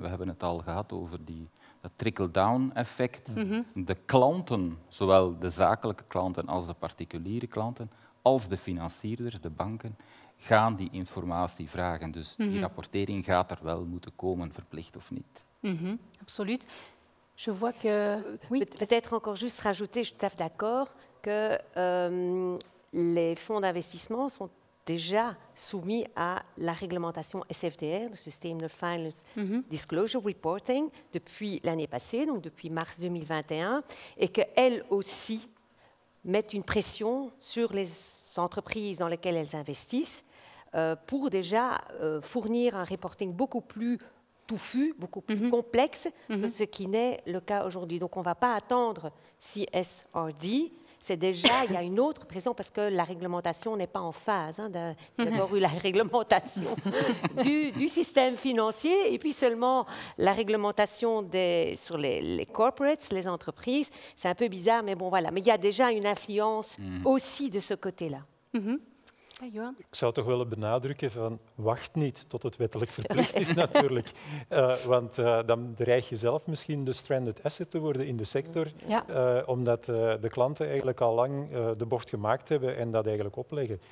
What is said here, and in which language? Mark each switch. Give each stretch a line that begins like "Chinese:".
Dutch: We hebben het al gehad over dat trickle-down-effect. Mm-hmm. De klanten, zowel de zakelijke klanten als de particuliere klanten, als de financierders, de banken, gaan die informatie vragen. Dus mm-hmm. die rapportering gaat er wel moeten komen, verplicht of niet.
French: Mm-hmm. Absoluut. Je vois que... Oui. Peut-être encore juste rajouter, je suis tout à fait d'accord, que les fonds d'investissement sont déjà soumis à la réglementation SFDR, le Sustainable Finance mm-hmm. Disclosure Reporting, depuis l'année passée, donc depuis mars 2021, et qu'elles aussi mettent une pression sur les entreprises dans lesquelles elles investissent pour déjà fournir un reporting beaucoup plus touffu, beaucoup plus mm-hmm. complexe mm-hmm. que ce qui n'est le cas aujourd'hui. Donc on ne va pas attendre CSRD. C'est déjà, il y a une autre pression parce que la réglementation n'est pas en phase. Il y a d'abord eu la réglementation du système financier et puis seulement la réglementation sur les corporates, les entreprises. C'est un peu bizarre, mais bon, voilà. Mais il y a déjà une influence aussi de ce côté-là. Mm-hmm.
Dutch: Ik zou toch willen benadrukken van wacht niet tot het wettelijk verplicht is natuurlijk. Want dan dreig je zelf misschien de stranded asset te worden in de sector. Ja. Omdat de klanten eigenlijk al lang de bocht gemaakt hebben en dat eigenlijk opleggen.